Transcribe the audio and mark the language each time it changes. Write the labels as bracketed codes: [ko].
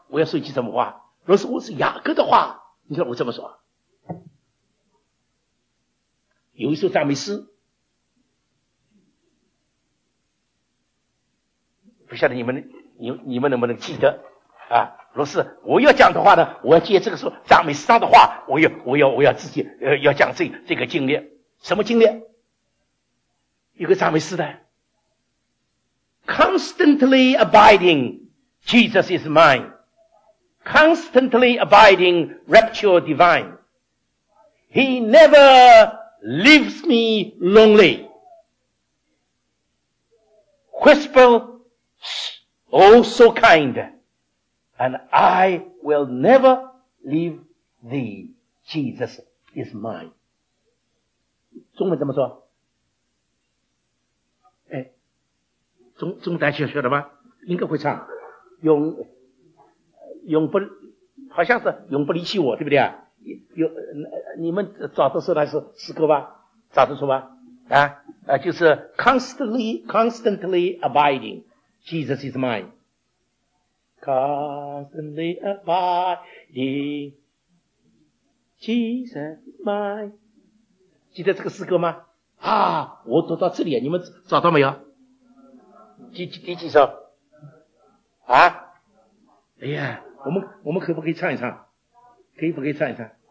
[zh] 我要说一句什么话，若是我是雅各的话，你知道我这么说，有一首赞美诗，不晓得你们能不能记得啊？若是我要讲的话呢，我要借这个时候赞美诗上的话，我要自己要讲这个经历。什么经历？一个赞美诗的 [en] Constantly abiding Jesus is mine, Constantly abiding rapture divine, He neverLeaves me lonely. Whisper, oh so kind, and I will never leave thee. Jesus is mine. [zh] 中文怎么说？哎，中文大家晓得吗？应该会唱。永不，好像是永不离弃我，对不对啊？有你们找的是那是诗歌吧？找得出吗？就是 [en] constantly abiding, Jesus is mine. Constantly abiding, Jesus is mine. [zh] 记得这个诗歌吗？啊，我读到这里，你们找到没有？第几首？啊？哎呀，我们可不可以唱一唱？可以不可以唱一唱？